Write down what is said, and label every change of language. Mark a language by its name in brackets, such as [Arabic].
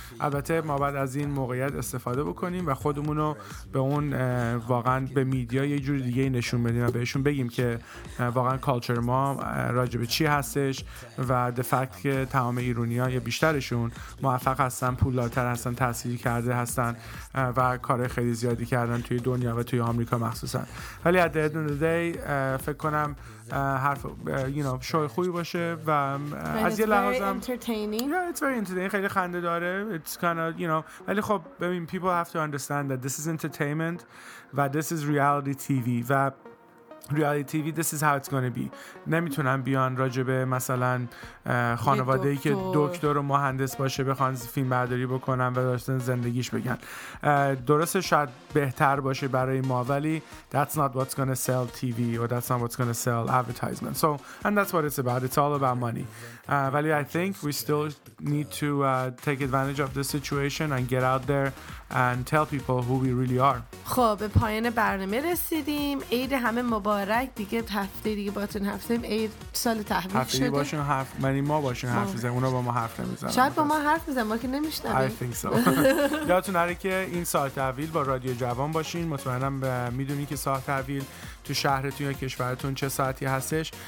[Persian] البته ما باید از این موقعیت استفاده بکنیم و خودمونو به اون واقعا به میدیا یه جور دیگه نشون بدیم و بهشون بگیم که واقعا کالچر ما راجب چی هستش و [English] the fact [Persian] که تمام ایرانی ها یا بیشترشون موفق هستن، پولدارتر هستن، تحصیل کرده هستن و کار خیلی زیادی کردن توی دنیا و توی آمریکا مخصوصا. ولی [English] at the end of the day [Persian] فکر کنم حرف شوی خوبی باشه و از یه لحاظم [English] it's very entertaining [Persian] خیلی خنده داره، [English] it's kind of [Persian] ولی خب ببین [English] people have to understand that this is entertainment و this is reality TV و reality TV this is how it's gonna be. [Persian] نمیتونم بیان راجبه مثلا خانواده ای که دکتر و مهندس باشه بخوان فیلم برداری بکنن و داشتن زندگیش بگن. درسته شاید بهتر باشه برای ما، ولی [English] that's not what's gonna sell TV or that's not what's gonna sell advertisement. So and that's what it's about. It's all about money. ولی I think we still need to take advantage of the situation and get out there and tell people who we really are. [Persian] خب به پایان برنامه رسیدیم. عید همه مبارک. دیگه هفته دیگه باهاتون حرف زدیم. عید سال تحویل شده. هفته باشون حرف منی ما باشون حرف زدیم. اونا با ما حرف نمیزنن. شاید با ما حرف بزنن ما که نمیشنویم. [English] I think so. [Persian] یادتون نره که این سال تحویل با رادیو جوان باشین. مطمئنم میدونی که سال تحویل تو شهرتون یا کشورتون چه ساعتی هستش.